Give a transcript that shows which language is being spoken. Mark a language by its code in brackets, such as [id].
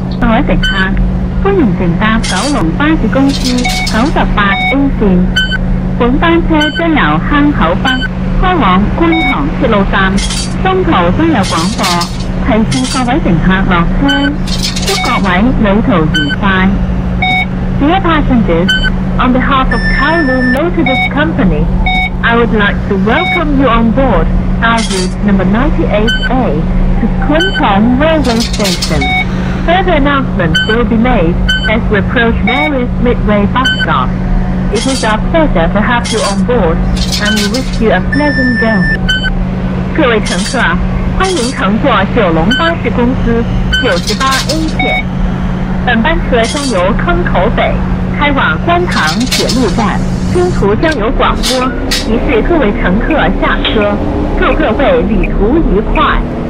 [zh] 位乘客，欢迎乘搭九龙巴士公司98A线。本班车将由坑口北开往观塘铁路站，中途将有广播提示各位乘客落车，祝各位旅途愉快。 [en] Dear passengers, on behalf of Kowloon Motorbus Company, I would like to welcome you on board our route number 98A to Kwun Tong Railway Station. Further announcements will be made as we approach various midway bus stops. It is our pleasure to have you on board and we wish you a pleasant journey. [zh] 各位乘客，欢迎乘坐九龙巴士公司98A线。本班车将由坑口北开往观塘铁路站，中途将有广播提示各位乘客下车，祝各位旅途愉快。